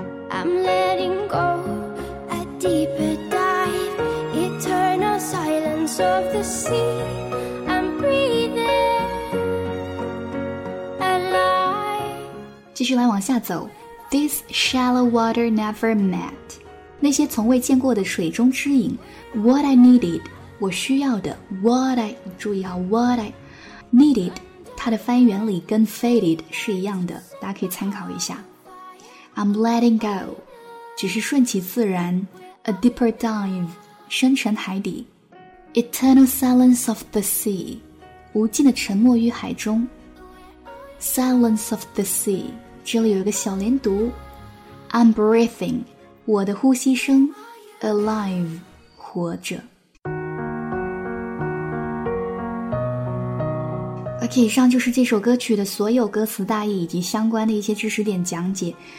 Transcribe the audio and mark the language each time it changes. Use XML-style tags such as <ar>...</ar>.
<en>I'm letting go a deeper dive. Eternal silence of the sea. I'm breathing alive.</en> <zh>继续来往下走。</zh> <en>These shallow water never met.</en> <zh>那些从未见过的水中之影</zh> <en>What I needed</en> <zh>我需要的 What I 注意好 What I needed 它的翻译原理跟 faded 是一样的，大家可以参考一下。</zh> <en>I'm letting go</en> <zh>只是顺其自然。</zh> <en>A deeper dive</en> <zh>深沉海底。</zh> <en>Eternal silence of the sea</en> <zh>无尽的沉默于海中。 Silence of the sea 这里有一个小连读。 I'm breathingWe the Hu Si Sheng Alive Huja. OK, 以上就是这首歌曲的所有歌词大意以及相关的一些知识点讲解。</zh>